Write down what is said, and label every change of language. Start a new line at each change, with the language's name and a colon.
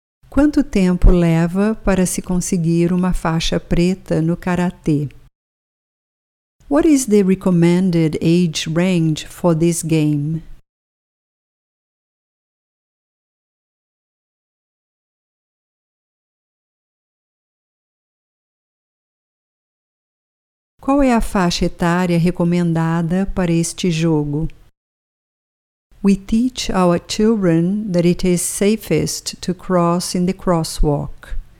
Portuguese: Quanto tempo leva para se conseguir uma faixa preta no karatê?
English: What is the recommended age range for this game?
Portuguese: Qual é a faixa etária recomendada para este jogo?
English: We teach our children that it is safest to cross in the crosswalk.